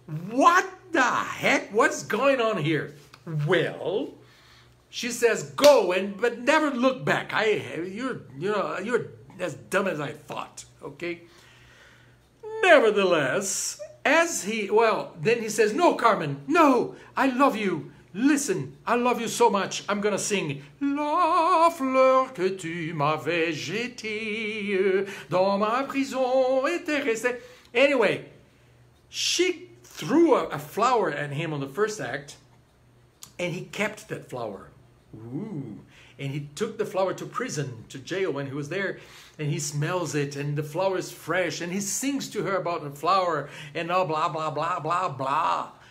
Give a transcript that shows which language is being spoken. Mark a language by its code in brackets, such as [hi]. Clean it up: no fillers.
[en] What the heck? What's going on here? Well, she says, go, but never look back. You're as dumb as I thought, okay? Nevertheless, then he says, no, Carmen, no, I love you. Listen, I love you so much. I'm going to sing. [fr] La fleur que tu m'avais jetée dans ma prison était restée. [en] Anyway, she threw a flower at him on the first act, and he kept that flower. Ooh. And he took the flower to prison, to jail when he was there, and he smells it, and the flower is fresh, and he sings to her about the flower, and oh, blah, blah, blah, blah, blah.